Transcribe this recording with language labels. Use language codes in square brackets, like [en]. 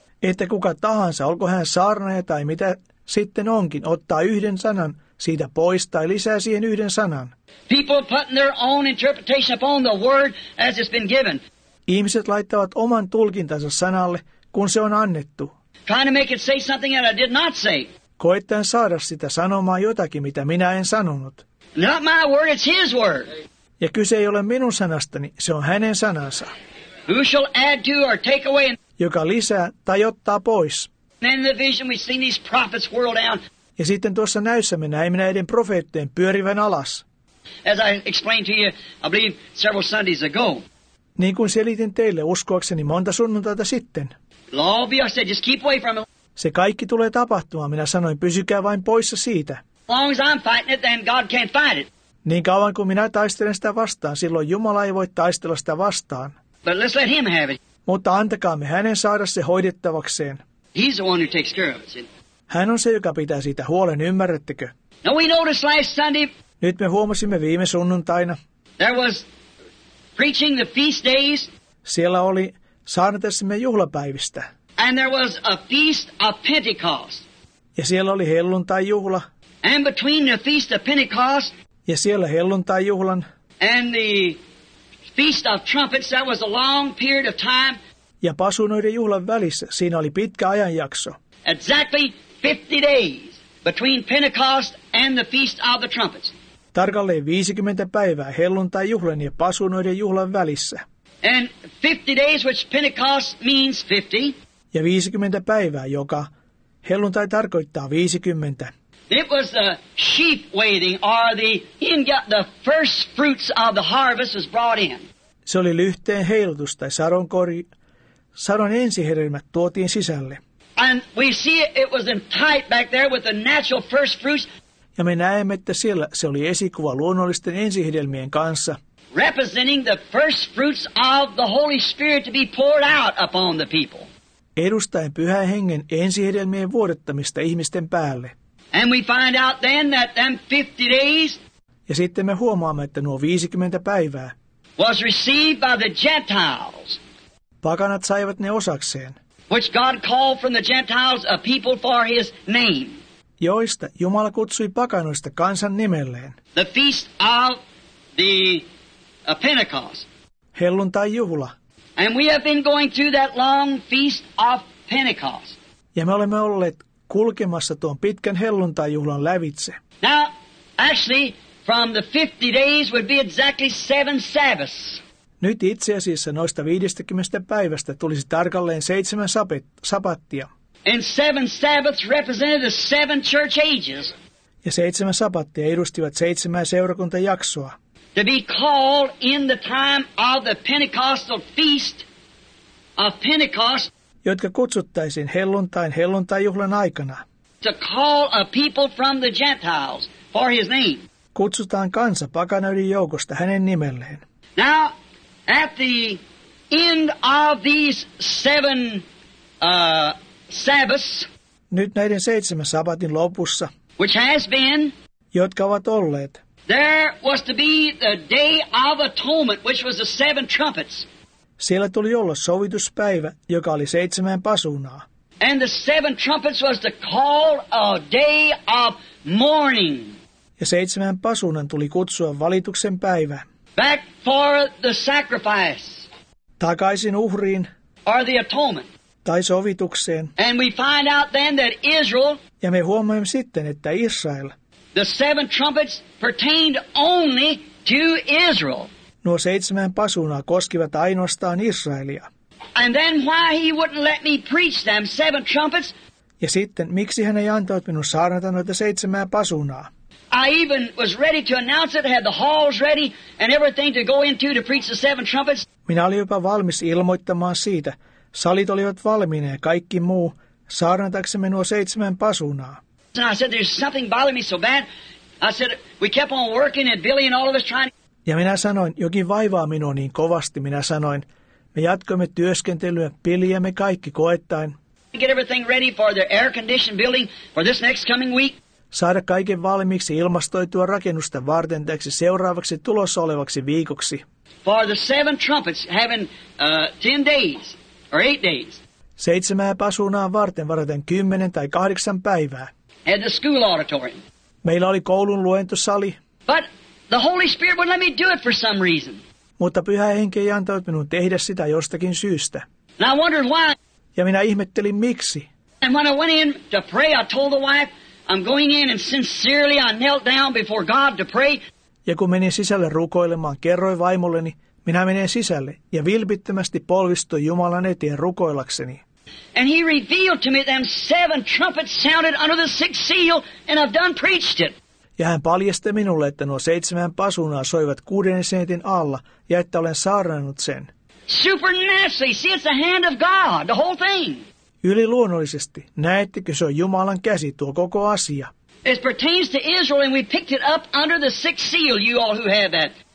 [fi] Että kuka tahansa, olko hän saarnaaja tai mitä sitten onkin, ottaa yhden sanan siitä pois tai lisää siihen yhden sanan. [en] People putting their own interpretation upon the word as it's been given. [fi] Ihmiset laittavat oman tulkintansa sanalle, kun se on annettu. [en] Trying to make it say something that I did not say. [fi] Koettaen saada sitä sanomaan jotakin, mitä minä en sanonut. [en] Not my word, it's his word. [fi] Ja kyse ei ole minun sanastani, se on hänen sanansa. [en] Who shall add to or take away? [fi] Joka lisää tai ottaa pois. [en] In the vision we see these prophets whirl down. [fi] Ja sitten tuossa näyssä me näimme näiden profeettien pyörivän alas. [en] As I explained to you, I believe several Sundays ago. [fi] Niin kuin selitin teille uskoakseni monta sunnuntaita sitten. [en] Lobby, I said, just keep away from it. [fi] Se kaikki tulee tapahtumaan, minä sanoin, pysykää vain poissa siitä. [en] Long as I'm fighting it, then God can't fight it. [fi] Niin kauan kuin minä taistelen sitä vastaan, silloin Jumala ei voi taistella sitä vastaan. [en] But let's let him have it. [fi] Mutta antakaamme hänen saada se hoidettavakseen. [en] He's the one who takes care of it. [fi] Hän on se, joka pitää siitä huolen, ymmärrettekö? [en] Now we noticed last Sunday, [fi] nyt me huomasimme viime sunnuntaina. [en] There was preaching the feast days. [fi] Siellä oli saarnatessamme juhlapäivistä. [en] And there was a feast of Pentecost. [fi] Ja siellä oli helluntaijuhla. [en] And between the feast of Pentecost. [fi] Ja siellä helluntaijuhlan. [en] And the feast of trumpets, that was a long period of time. [fi] Ja pasunoiden juhlan välissä, siinä oli pitkä ajanjakso. [en] Exactly 50 days between Pentecost and the feast of the trumpets. [fi] Tarkalleen 50 päivää helluntaijuhlan ja pasunoiden juhlan välissä. [en] And 50 days, which Pentecost means 50. [fi] Ja 50 päivää, joka helluntai tarkoittaa 50. [en] It was the sheep waiting, or the first fruits of the harvest was brought in. [fi] Se oli lyhteen heilutus tai sadon ensihedelmät tuotiin sisälle. [en] And we see it was in type back there with the natural first fruits. [fi] Ja me näemme, että siellä se oli esikuva luonnollisten ensihedelmien kanssa. [en] Representing the first fruits of the Holy Spirit to be poured out upon the people. [fi] Edustaen Pyhän Hengen ensihedelmien vuodattamista ihmisten päälle. [en] And we find out then that them 50 days. [fi] Ja sitten me huomaamme, että nuo 50 päivää. [en] Was received by the Gentiles. [fi] Pakanat saivat ne osakseen. [en] Which God called from the Gentiles a people for his name. [fi] Joista Jumala kutsui pakanoista kansan nimelleen. [en] The feast of the Pentecost. [fi] Helluntaijuhla. [en] And we have been going through that long feast of Pentecost. [fi] Ja me olemme olleet kulkemassa tuon pitkän helluntaijuhlan lävitse. [en] Now, actually, from the 50 days would be exactly 7 Sabbaths. [fi] Nyt itse asiassa noista 50 päivästä tulisi tarkalleen 7 sapattia. [en] And seven Sabbaths represented the seven church ages. [fi] Ja seitsemän sapattia edustivat seitsemää seurakuntajaksoa. [en] To be called in the time of the Pentecostal feast of Pentecost. [fi] Jotka kutsuttaisiin helluntaijuhlan aikana. [en] To call a people from the Gentiles for his name. [fi] Kutsutaan kansa pakanoiden joukosta hänen nimelleen. [en] Now, at the end of these seven Sabbaths. [fi] Nyt näiden seitsemän sabbatin lopussa. [en] Which has been. [fi] Jotka ovat olleet. [en] There was to be the Day of Atonement, which was the seven trumpets. [fi] Siellä tuli olla sovituspäivä, joka oli seitsemän pasunaa. [en] And the seven trumpets was to call a day of mourning. [fi] Ja seitsemän pasunan tuli kutsua valituksen päivä. [en] Back for the sacrifice. [fi] Takaisin uhriin. [en] Or the atonement. [fi] Tai sovitukseen. [en] And we find out then that Israel. [fi] Ja me huomaamme sitten, että Israel. [en] The seven trumpets pertained only to Israel. [fi] Nuo seitsemän pasunaa koskivat ainoastaan Israelia. [en] And then why he wouldn't let me preach them seven trumpets? [fi] Ja sitten miksi hän ei antanut minun saarnata noita seitsemää pasunaa? [en] I even was ready to announce it, had the halls ready and everything to go into to preach the seven trumpets. [fi] Minä olin jopa valmis ilmoittamaan siitä. Salit olivat valmiina ja kaikki muu saarnataksemme nuo seitsemän pasunaa. [en] And I said, there's something bothering me so bad. I said, we kept on working and Billy and all of us trying. [fi] Ja minä sanoin, jokin vaivaa minua niin kovasti. Minä sanoin, me jatkoimme työskentelyä, Billy ja me kaikki koettain. [en] Get everything ready for the air-conditioned building for this next coming week. [fi] Saada kaiken valmiiksi ilmastoitua rakennusta varten täksi seuraavaksi tulossa olevaksi viikoksi. [en] For the seven trumpets having 10 days or 8 days. [fi] Seitsemää pasunaa varten varaten 10 tai 8 päivää. [en] At the school auditorium. [fi] Meillä oli koulun luentosali. [en] But the Holy Spirit wouldn't let me do it for some reason. [fi] Mutta Pyhä Henki ei antanut minun tehdä sitä jostakin syystä. [en] Now I wondered why. [fi] Ja minä ihmettelin miksi. [en] And when I went in to pray, I told the wife, I'm going in and sincerely I knelt down before God to pray. [fi] Ja kun menin sisälle rukoilemaan, kerroin vaimolleni, minä menen sisälle ja vilpittömästi polvistuin Jumalan eteen rukoillakseni. [en] And he revealed to me them seven trumpets sounded under the sixth seal and I've done preached it. [fi] Ja hän paljasti minulle, että nuo seitsemän pasunaa soivat kuudennen seitin alla ja että olen saarnannut sen. [en] Supernaturally, see it's the hand of God, the whole thing. [fi] Yliluonnollisesti, näettekö se on Jumalan käsi tuo koko asia? [en] It pertains to Israel and we picked it up under the sixth seal, you all who have that.